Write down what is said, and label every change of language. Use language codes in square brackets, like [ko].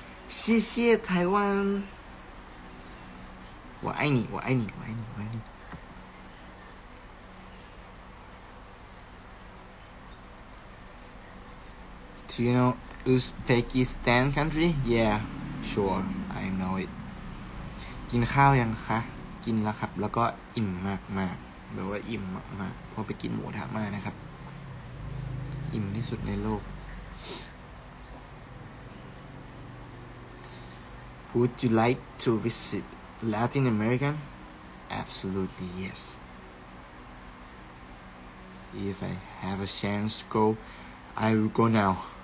[zh] 谢谢台湾。我爱你，我爱你，我爱你，我爱你。 [en] Do you know Uzbekistan country? Yeah, sure, I know it. [th] กินข้าวยังคะกินแล้วครับแล้วก็อิ่มมากๆแบบว่าอิ่มมากๆพอไปกินหมูทะมานะครับอิ่มที่สุดในโลก [en] Would you like to visit Latin America? Absolutely, yes. If I have a chance to go, I will go now.